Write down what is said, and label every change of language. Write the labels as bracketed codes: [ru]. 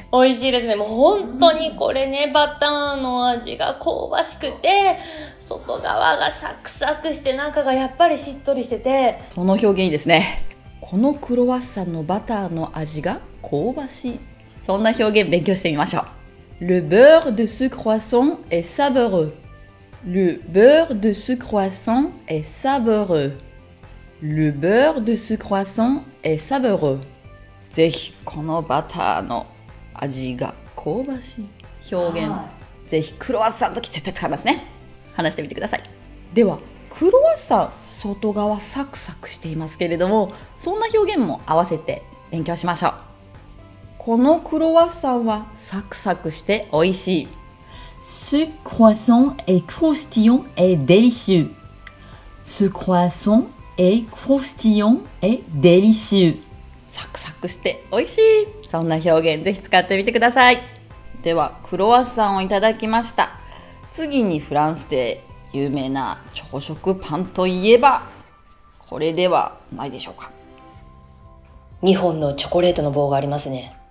[ja] 美味しいですね。もう本当にこれね、うん、バターの味が香ばしくて、外側がサクサクして中がやっぱりしっとりしてて、その表現いいですね。このクロワッサンのバターの味が香ばしい、そんな表現勉強してみましょう。 [fr] Le beurre de ce croissant est savoureux. Le beurre de ce croissant est savoureux. Le beurre de ce croissant est savoureux. [ja] ぜひこのバターの味が香ばしい表現、はい、ぜひクロワッサンの時絶対使いますね。話してみてください。ではクロワッサン外側サクサクしていますけれども、そんな表現も合わせて勉強しましょう。このクロワッサンはサクサクして美味しい。 [fr] Ce croissant est croustillant et délicieux. Ce croissant est croustillant et délicieux. [ja] サクサクして美味しい、そんな表現ぜひ使ってみてください。ではクロワッサンをいただきました。次にフランスで有名な朝食パンといえばこれではないでしょうか。日本のチョコレートの棒がありますね。